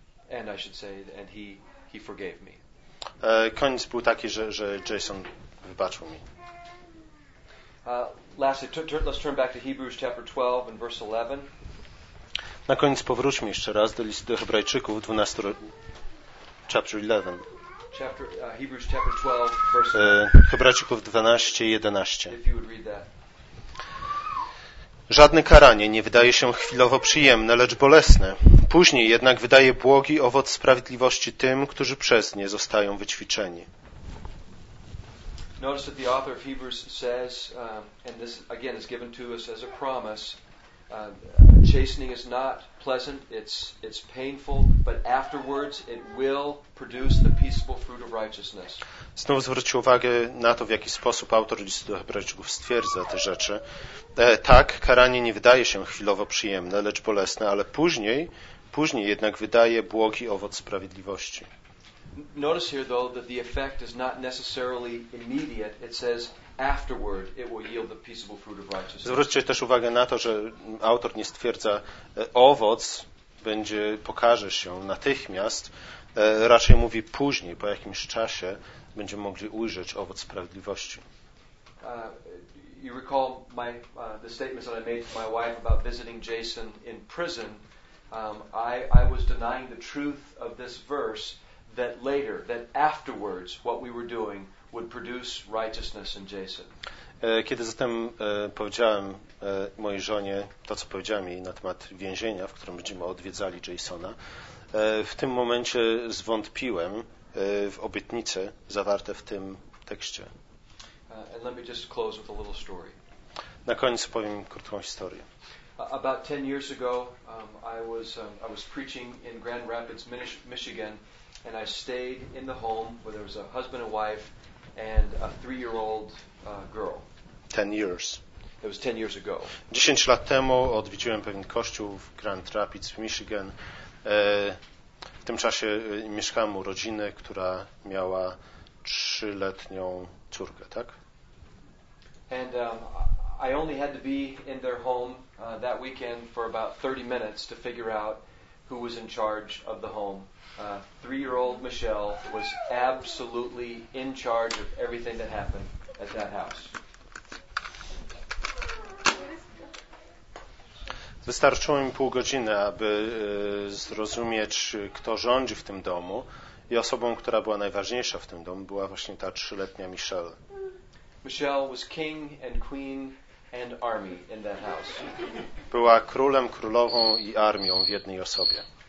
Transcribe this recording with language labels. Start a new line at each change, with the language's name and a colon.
English: And I should say, and he forgave me.
Polish: Koniec był taki, że Jason wybaczył mi.
English: Let's turn back to Hebrews chapter 12 and verse 11.
Polish: Na koniec powróćmy jeszcze raz do listu do Hebrajczyków, 12, chapter 11.
English: Hebrews chapter 12, verse
Polish: 11. Hebrajczyków 12, 11.
English: If you would read that.
Polish: Żadne karanie nie wydaje się chwilowo przyjemne, lecz bolesne. Później jednak wydaje błogi owoc sprawiedliwości tym, którzy przez nie zostają wyćwiczeni.
English: Notice that the author of Hebrews says, and this again is given to us as a promise, chastening is not pleasant, it's painful, but afterwards it will produce the peaceable fruit of righteousness.
Polish: Znowu zwróćcie uwagę na to, w jaki sposób autor listu do Hebrajczyków stwierdza te rzeczy. Tak, karanie nie wydaje się chwilowo przyjemne, lecz bolesne, ale później jednak wydaje błogi owoc sprawiedliwości.
English: Notice here though that the effect is not necessarily immediate. It says afterward it will yield the peaceable fruit of righteousness.
Polish: Zwróćcie też uwagę na to, że autor nie stwierdza owoc będzie pokaże się natychmiast, raczej mówi później, po jakimś czasie będziemy mogli ujrzeć owoc sprawiedliwości.
English: You recall the statements that I made to my wife about visiting Jason in prison. I was denying the truth of this verse that later, that afterwards what we were doing would produce righteousness in Jason.
Polish: Kiedy zatem powiedziałem mojej żonie to, co powiedziałem jej na temat więzienia, w którym będziemy odwiedzali Jasona, w tym momencie zwątpiłem w obietnice zawarte w tym tekście.
English: And let me just close with a little story.
Polish: Na koniec powiem krótką historię.
English: About 10 years ago, I was preaching in Grand Rapids, Michigan, and I stayed in the home where there was a husband and wife and a 3-year-old girl. 10 years. It was 10 years ago.
Polish: 10 lat temu odwiedziłem pewien kościół w Grand Rapids, Michigan. W tym czasie mieszkałem u rodziny, która miała 3-letnią córkę, tak?
English: And I only had to be in their home that weekend for about 30 minutes to figure out who was in charge of the home. 3-year-old Michelle was absolutely in charge of everything that happened at that house.
Polish: Wystarczyło mi pół godziny, aby zrozumieć, kto rządzi w tym domu. I osobą, która była najważniejsza w tym domu, była właśnie ta 3-letnia Michelle.
English: Michelle was king and queen and army in that house.
Polish: Była królem, królową i armią w jednej osobie.